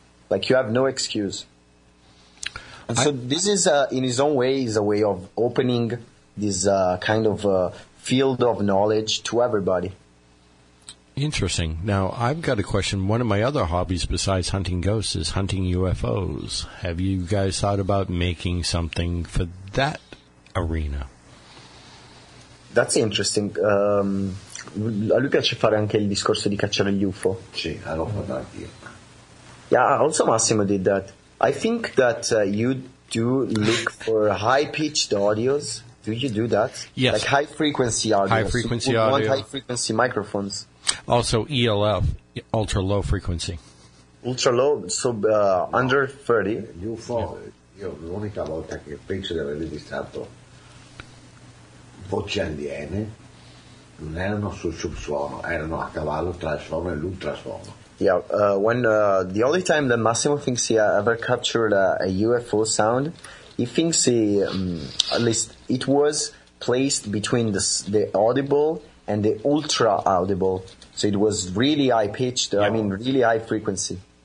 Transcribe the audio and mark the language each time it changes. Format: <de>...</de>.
<en>Like, you have no excuse. And so this is, in his own way, is a way of opening this kind of field of knowledge to everybody. Interesting. Now, I've got a question. One of my other hobbies besides hunting ghosts is hunting UFOs. Have you guys thought about making something for that arena? That's interesting.</en> <it>Luca ci fa anche il discorso di cacciare gli UFO. Sì, l'ho fatto anch'io.</it> <en>Yeah, also Massimo did that. I think that you do look for high-pitched audios. Do you do that? Yes. Like high-frequency audio. High-frequency audio. Want high-frequency microphones. Also ELF, ultra-low frequency. Ultra-low, so under 30. UFO, yeah.</en> <it>Io l'unica volta che penso di aver registrato voci aliene non erano sul subsuono, erano a cavallo tra il suono e l'ultrasuono.</it> <en>Yeah, the only time that Massimo thinks he ever captured a UFO sound, he thinks he at least it was placed between the audible and the ultra audible, so it was really high pitched. Yeah. I mean, really high frequency.</en>